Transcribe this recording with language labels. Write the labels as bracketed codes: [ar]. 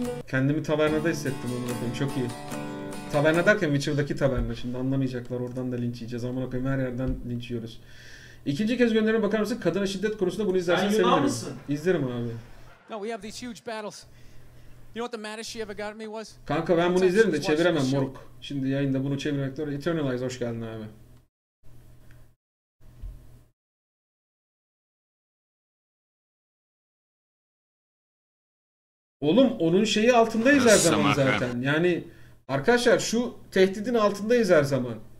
[tr] Kendimi tavernada hissettim onu bakayım, çok iyi. Taverna derken Witcher'daki taverna, şimdi anlamayacaklar, oradan da linç yiyeceğiz. Aman okuyayım, her yerden linç yiyoruz. İkinci kez gönderime bakar mısın? Kadına şiddet konusunda bunu izlersen sevinirim. Ben Yunan mısın? İzlerim abi. [en] No, we have these huge battles. You know what the maddest she ever got me was? [tr] Kanka ben bunu izlerim de çeviremem moruk. Şimdi yayında bunu çevirmek doğru. Eternalize hoş geldin abi. Oğlum onun şeyi altındayız her zaman zaten. Yani arkadaşlar şu tehdidin altındayız her zaman.